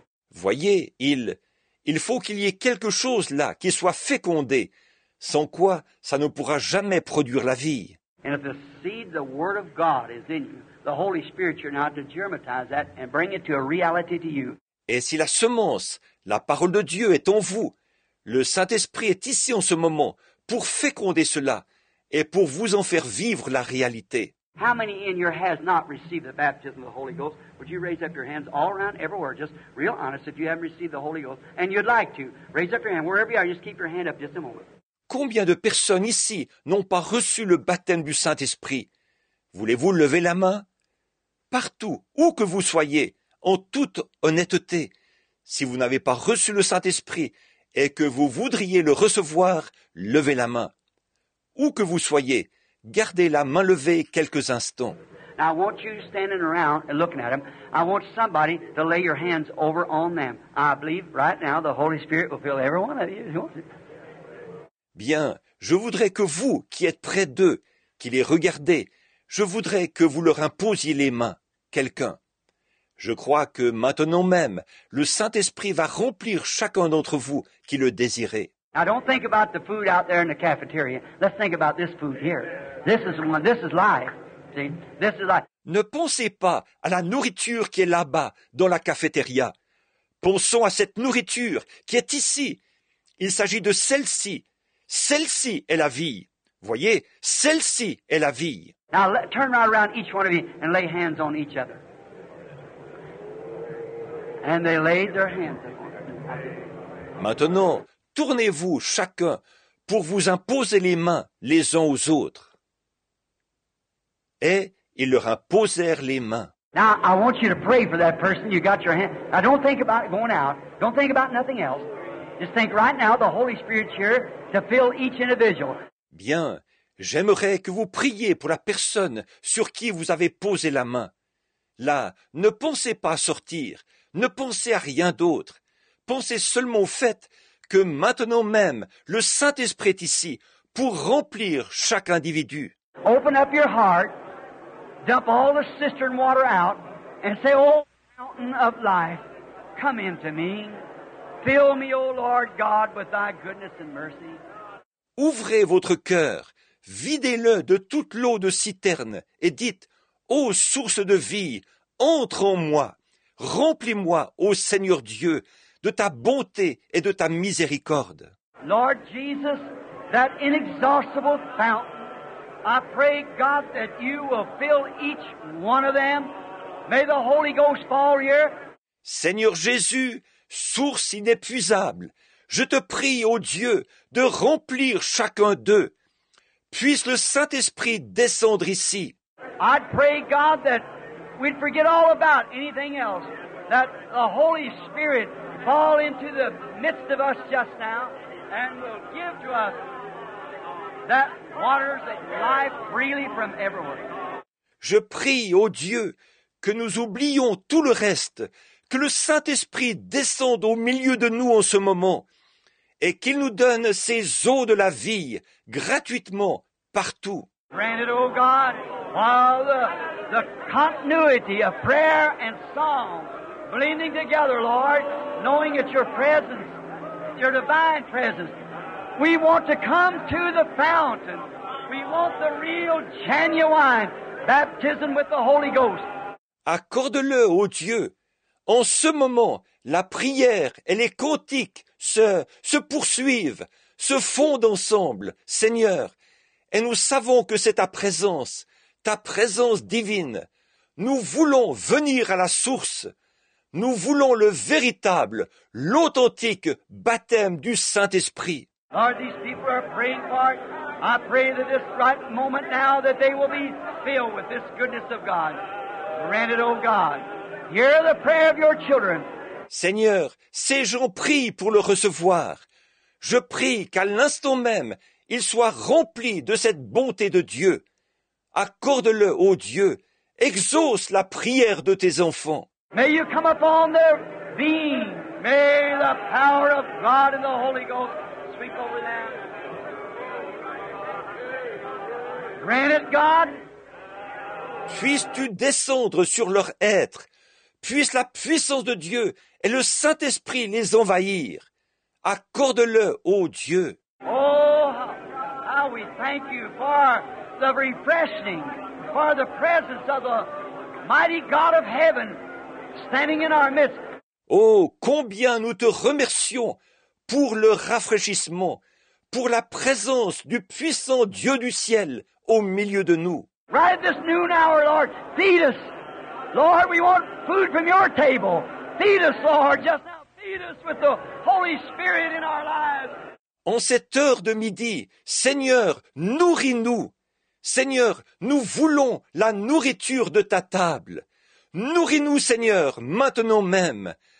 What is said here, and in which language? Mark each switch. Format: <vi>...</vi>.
<fr>Voyez, il faut qu'il y ait quelque chose là qui soit fécondé, sans quoi ça ne pourra jamais produire la vie.</fr> <en>And if the seed, the word of God, is in you, the Holy Spirit, you're now to germatize that and bring it to a reality to you.</en> <fr>Et si la semence, la parole de Dieu est en vous, le Saint-Esprit est ici en ce moment pour féconder cela et pour vous en faire vivre la réalité.</fr> <en>How many in here has not received the baptism of the Holy Ghost? Would you raise up your hands all around, everywhere, just real honest, if you haven't received the Holy Ghost, and you'd like to, raise up your hand, wherever you are, just keep your hand up just a moment.</en> <fr>Combien de personnes ici n'ont pas reçu le baptême du Saint-Esprit? Voulez-vous lever la main? Partout, où que vous soyez, en toute honnêteté, si vous n'avez pas reçu le Saint-Esprit et que vous voudriez le recevoir, levez la main. Où que vous soyez, gardez la main levée quelques instants.</fr> <en>Now, I want you standing around and looking at them. I want somebody to lay your hands over on them. I believe right now the Holy Spirit will fill every one of you.</en> <fr>Bien, je voudrais que vous, qui êtes près d'eux, qui les regardez, je voudrais que vous leur imposiez les mains, quelqu'un. Je crois que maintenant même, le Saint-Esprit va remplir chacun d'entre vous qui le désirez.</fr> <en>Now don't think about the food out there in the cafeteria. Let's think about this food here. This is one. This is life. See? This is life.</en> <fr>Ne pensez pas à la nourriture qui est là-bas, dans la cafétéria. Pensons à cette nourriture qui est ici. Il s'agit de celle-ci. Celle-ci est la vie. Voyez, celle-ci est la vie.</fr> <en>Now turn right around each one of you and lay hands on each other. And they laid their hands upon.</en> <fr>Maintenant, tournez-vous chacun pour vous imposer les mains les uns aux autres. Et ils leur imposèrent les mains.</fr> <en>Now I want you to pray for that person. You got your hand. Now don't think about going out. Don't think about nothing else. Just think right now the Holy Spirit's here to fill each individual.</en> <fr>Bien, j'aimerais que vous priez pour la personne sur qui vous avez posé la main. Là, ne pensez pas à sortir, ne pensez à rien d'autre. Pensez seulement au fait que maintenant même, le Saint-Esprit est ici pour remplir chaque individu.</fr> <en>Open up your heart, dump all the cistern water out, and say, O fountain of life, come into me. Fill me, O Lord God, with thy goodness and mercy.</en> <fr>Ouvrez votre cœur, videz-le de toute l'eau de citerne, et dites, ô source de vie, entre en moi, remplis-moi, ô Seigneur Dieu, de ta bonté et de ta miséricorde.</fr> <en>Lord Jesus, that inexhaustible fountain, I pray, God, that you will fill each one of them. May the Holy Ghost fall here.</en> <fr>Seigneur Jésus, source inépuisable, je te prie, ô Dieu, de remplir chacun d'eux. Puisse le Saint-Esprit descendre ici.</fr> <en>I'd pray, God, that we'd forget all about anything else, that the Holy Spirit fall into the midst of us just now and will give to us that waters of life freely from everywhere.</en> <fr>Je prie, ô Dieu, que nous oublions tout le reste, que le Saint-Esprit descende au milieu de nous en ce moment et qu'il nous donne ces eaux de la vie gratuitement partout.</fr> <en>Grant it, O God, while the continuity of prayer and song blending together, Lord, knowing it's your presence, your divine presence. We want to come to the fountain. We want the real, genuine baptism with the Holy Ghost.</en> <fr>Accorde-le, ô Dieu. En ce moment, la prière et les cantiques se poursuivent, se fondent ensemble, Seigneur. Et nous savons que c'est ta présence divine. Nous voulons venir à la source. Nous voulons le véritable, l'authentique baptême du Saint-Esprit.</fr> <en>Lord, these people are praying for it. I pray that this right moment now that they will be filled with this goodness of God. Grant it, O God. Hear the prayer of your children.</en> <fr>Seigneur, ces gens prient pour le recevoir. Je prie qu'à l'instant même, ils soient remplis de cette bonté de Dieu. Accorde-le, ô Dieu. Exauce la prière de tes enfants.</fr> <en>May you come upon their being. May the power of God and the Holy Ghost sweep over them. Grant it, God.</en> <fr>Puisses-tu descendre sur leur être. Puisse la puissance de Dieu et le Saint-Esprit les envahir. Accorde-le, ô Dieu.</fr> <en>Oh, how we thank you for the refreshing, for the presence of the mighty God of heaven standing in our midst.</en> <fr>Oh, combien nous te remercions pour le rafraîchissement, pour la présence du puissant Dieu du ciel au milieu de nous.</fr> <en>Right at this noon hour, Lord, feed us. Lord, we want food from your table. Feed us, Lord, just now. Feed us with the Holy Spirit in our lives.</en> <fr>En cette heure de midi, Seigneur, nourris-nous. Seigneur, nous voulons la nourriture de ta table. Nourris-nous, Seigneur, maintenant même.</fr>